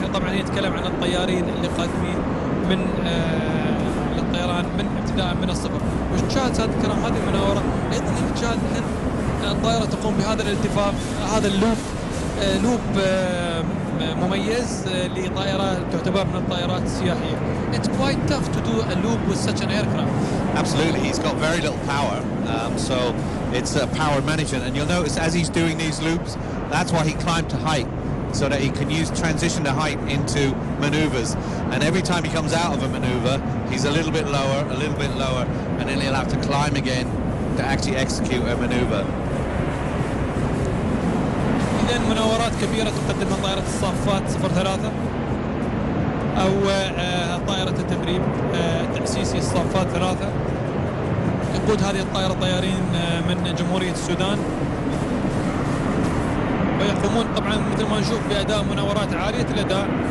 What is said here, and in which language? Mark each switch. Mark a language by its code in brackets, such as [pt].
[ar] طبعا يتكلم عن الطيارين اللي قادمين من الطيران من ابتداء من الصفر. وشاهد هذا الكلام هذه المناورة أيضا شاهد أن الطائرة تقوم بهذا الالتفاف هذا اللوب لوب مميز لطائرة تعتبر من الطائرات السياحية. [en] It's quite tough to do a loop with such an aircraft. Absolutely, he's got very little power, so it's a power management. And you'll notice as he's doing these loops, that's why he climbed to height, so that he can use transition to height into maneuvers. And every time he comes out of a maneuver, he's a little bit lower, a little bit lower, and then he'll have to climb again to actually execute a maneuver. [ar] إذن مناورات كبيرة تقدمها طائرة الصافات 03 أو طائرة التدريب تأسيسي الصافات 3 يقود هذه الطائرة طيارين من جمهورية السودان ويقومون طبعا مثل ما نشوف بأداء مناورات عالية الأداء